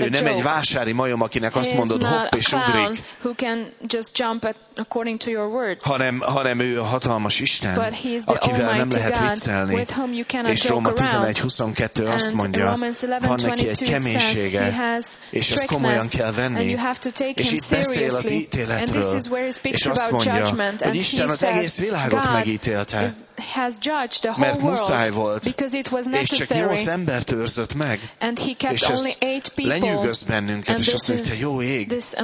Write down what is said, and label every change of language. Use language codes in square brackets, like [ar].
[hu] ő nem egy vásári majom, akinek azt mondod, hopp és ugrik, [en] who can just jump according to your words. [hu] Hanem ő a hatalmas Isten, akivel nem lehet viccelni. És Róma 11:22 azt mondja, van neki egy keménysége, és ezt komolyan kell venni. És itt beszél az ítéletről, és azt mondja, hogy Isten az egész világot megítélte, mert muszáj volt, és csak 8 embert őrzött meg, és ez lenyűgöz bennünket, és azt mondja, jó ég.